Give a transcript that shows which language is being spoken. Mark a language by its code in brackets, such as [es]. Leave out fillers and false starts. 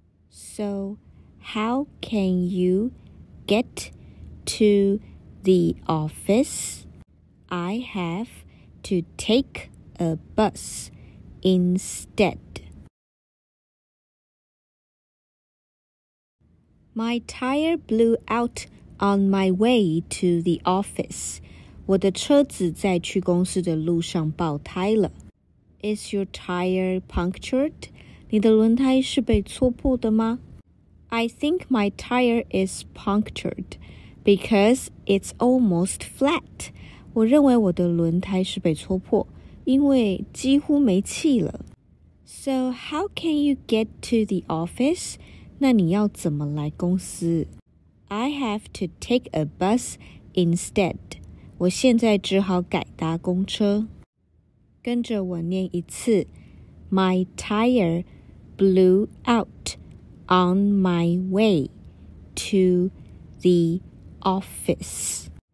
[en] So how can you get to the office? I haveTo take a bus instead. My tire blew out on my way to the office. [zh] 我的车子在去公司的路上爆胎了。 [en] Is your tire punctured? [zh] 你的轮胎是被戳破的吗？ [en] I think my tire is punctured because it's almost flat. [zh] 我认为我的轮胎是被戳破，因为几乎没气了。 [en] So how can you get to the office? [zh] 那你要怎么来公司？ [en] I have to take a bus instead. [zh] 我现在只好改搭公车。跟着我念一次。 [en] My tire blew out on my way to the office.